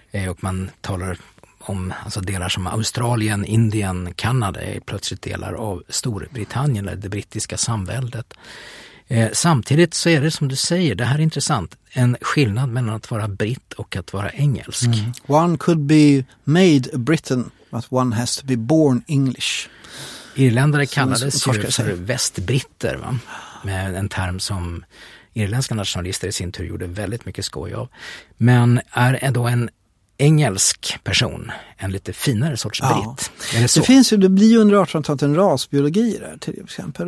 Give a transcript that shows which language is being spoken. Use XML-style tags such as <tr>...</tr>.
<sv>Och man talar om alltså delar som Australien, Indien, Kanada är plötsligt delar av Storbritannien eller det brittiska samväldet. Samtidigt så är det som du säger, det här är intressant, en skillnad mellan att vara britt och att vara engelsk. Mm.</sv> <en>One could be made a Briton, but one has to be born English.</en> <sv>Irländare kallades ju för västbritter, va? Med en term som irländska nationalister i sin tur gjorde väldigt mycket skoj av. Men är då en engelsk person en lite finare sorts britt? Ja. Det finns ju, det blir ju under 1800-talet en rasbiologi där till exempel.</sv>